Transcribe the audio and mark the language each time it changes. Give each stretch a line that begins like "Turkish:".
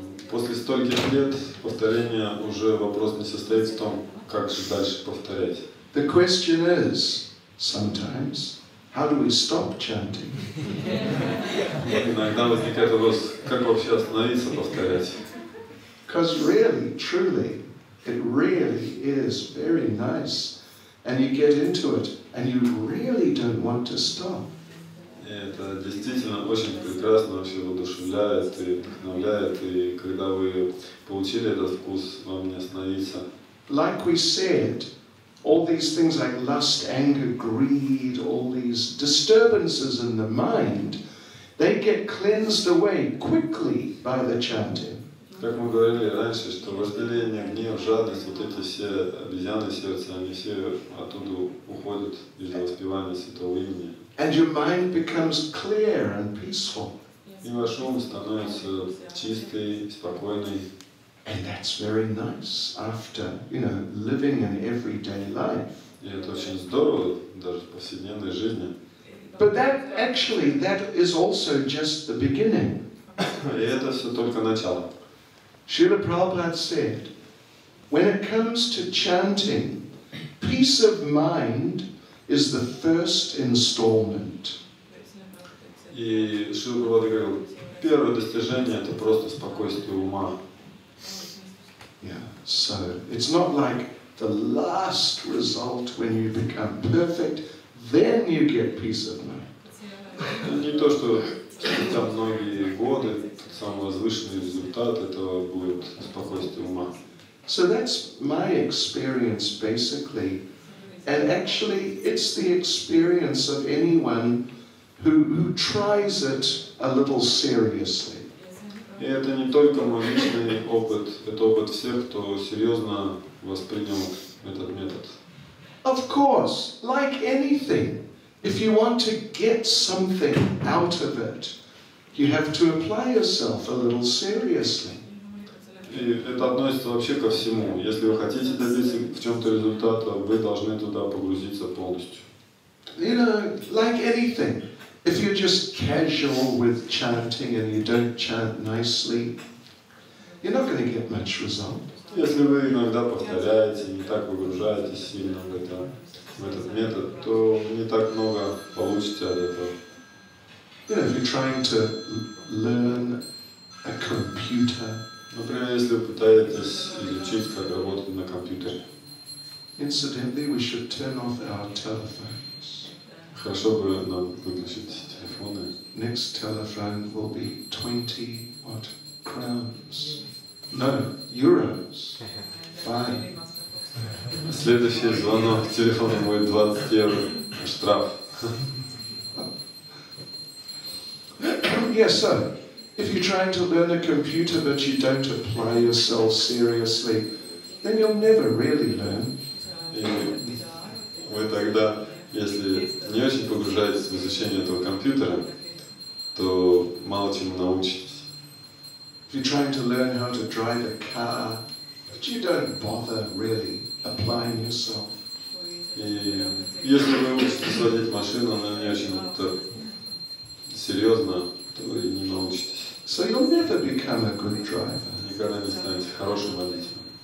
Russian: После стольких лет повторения уже вопрос не состоит в том, как же дальше повторять.
English: The question is, sometimes, how do we stop chanting?
Russian: Иногда возникает вопрос, как вообще остановиться повторять?
English: Because really, truly, it really is very nice. And you get into it, and you really don't want to stop.
Russian: Это действительно очень прекрасно, вообще воодушевляет и вдохновляет. И когда вы получили этот вкус, вам не остановиться.
English: Like we said, all these things like lust, anger, greed, all these disturbances in the mind, they get cleansed away quickly by the chanting.
Russian: Как мы говорили раньше, что вожделение, гнев, жадность, вот эти все обезьяны сердца, они все оттуда уходят из-за воспевания святого имени.
English: And your mind becomes clear and peaceful.
Russian: И ваш ум становится чистый, спокойный.
English: And that's very nice after, you know, living an everyday life.
Russian: И это очень здорово даже в повседневной жизни.
English: But that actually that is also just the beginning.
Russian: И это все только начало.
English: Srila Prabhupada said, when it comes to chanting, peace of mind is the first installment.
Russian: И Шрила Прабхупада говорил, первое достижение это просто спокойствие ума.
English: Yeah. So it's not like the last result when you become perfect, then you get peace of mind.
Russian: Не то, что спустя многие годы самый возвышенный результат этого будет спокойствие ума.
English: So that's my experience basically, and actually it's the experience of anyone who tries it a little seriously.
Russian: И это не только мой личный опыт, это опыт всех, кто серьезно воспринял этот метод.
English: Of course, like anything, if you want to get something out of it, you have to apply yourself a little seriously.
Russian: И это относится вообще ко всему. Если вы хотите добиться в чем-то результата, вы должны туда погрузиться полностью.
English: You know, like anything, if you're just casual with chanting and you don't chant nicely, you're not going to get much result.
Russian: Если вы иногда повторяете, не так выгружаетесь сильно в этот метод, то не так много получите от этого.
English: You know, if you're trying to learn a computer,
Russian: например, если вы пытаетесь изучить, как работать на компьютере.
English: Incidentally, we should turn off our telephones.
Russian: Хорошо бы нам выключить телефоны.
English: Next telephone will be 20 what, crowns. No, euros. Fine.
Russian: Следующий звонок телефона будет 20 евро. Штраф.
English: Yes, so, if you're trying to learn a computer but you don't apply yourself seriously, then you'll never really learn.
Russian: Вы тогда, если не очень погружаетесь в изучение этого компьютера, то мало чему научитесь.
English: If you're trying to learn how to drive a car, but you don't bother really applying yourself.
Russian: Если вы учитесь водить машину, но не очень-то серьезно, то и не научитесь.
English: So you'll never become a good driver.
Russian: Никогда не станете хорошим водителем.